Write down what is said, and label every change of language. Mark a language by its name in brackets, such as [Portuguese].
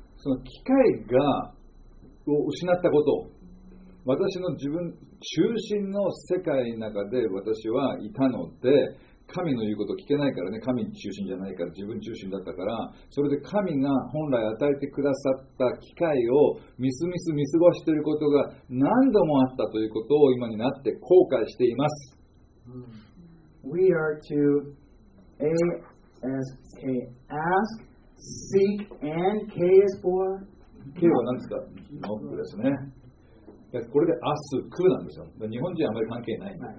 [Japanese] の機会がを失ったこと私の自分中心の世界の中で私はいたので神の言うこと聞けないからね神中心じゃないから自分中心だったからそれで神が本来与えてくださった機会をみすみす見過ごしていることが何度もあったということを今になって後悔しています [English] We are to ASK Ask Seek and K is for [Japanese] K は何ですかノックですねこれで ask なんですよ。日本人はあまり関係ない。